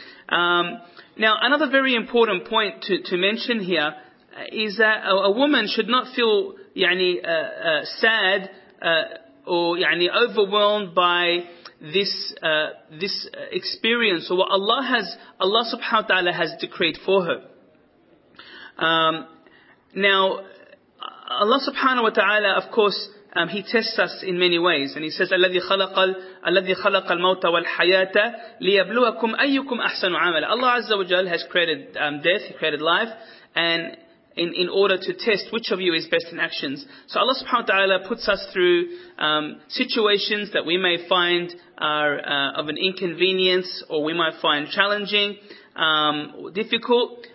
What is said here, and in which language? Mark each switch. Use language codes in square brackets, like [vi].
[en] Now, another very important point to mention here is that a woman should not feel sad or overwhelmed by this experience or what Allah subhanahu wa ta'ala has decreed for her. Now, Allah subhanahu wa ta'ala, of course, He tests us in many ways. [ar] And He says, الَّذِي خَلَقَ الْمَوْتَ وَالْحَيَاةَ لِيَبْلُوَكُمْ أَيُّكُمْ أَحْسَنُ عَمَلًا. [en] Allah Azza wa Jal has created death, He created life, and in order to test which of you is best in actions. So Allah subhanahu wa ta'ala puts us through situations that we may find are of an inconvenience, or we might find challenging, difficult.